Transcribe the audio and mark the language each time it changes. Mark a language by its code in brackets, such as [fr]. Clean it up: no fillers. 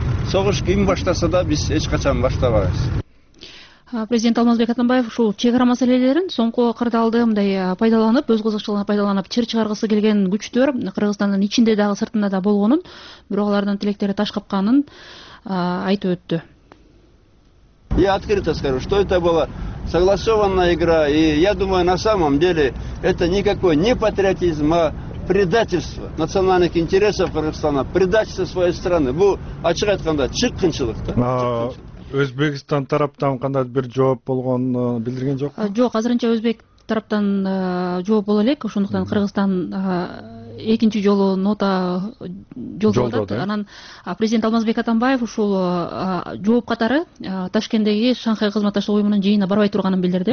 [ky] Согуш ким баштаса да биз эч качан баштабайбыз. Президент Алмазбек Атамбаев ушул чек ара маселелерин соңку кырдаалды мындай пайдаланып, өз кызыкчылыгына пайдаланып чыр чыгаргысы келген күчтөр Кыргызстандын ичинде дагы сыртында да болгонун, бирок алардын тилектери таш капканын айтып өттү. [ru] Я открыто скажу, что это была согласованная игра, и я думаю, на самом деле это никакой не патриотизм, а предательство национальных интересов Кыргызстана, предательство своей страны. [ky] Бу ачык айтканда чыккынчылык да. Өзбекстан тараптан кандай бир жооп болгон билдирген жокпу? Жок, азырынча өзбек тараптан жооп боло элек. Ошондуктан Кыргызстан экинчи жолу нота жолдоп атат. Анан президент Алмазбек Атамбаев ушул жооп катары Ташкенттеги Шанхай кызматташтык уюмунун жыйынына барбай турганын билдирди.